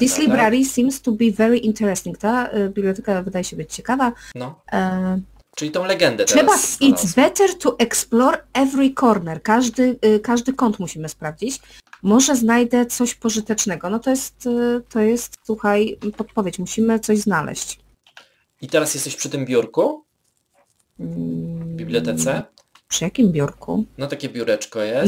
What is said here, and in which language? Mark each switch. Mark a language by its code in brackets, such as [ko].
[en] This library seems to be very interesting. [pl] Ta biblioteka wydaje się być ciekawa. No. Czyli tą legendę teraz. Trzeba, [en] it's better to explore every corner. [pl] Każdy kąt musimy sprawdzić. Może znajdę coś pożytecznego. No to jest, słuchaj, podpowiedź. Musimy coś znaleźć. I teraz jesteś przy tym biurku? Bibliotece? Przy jakim biurku? No takie biureczko jest.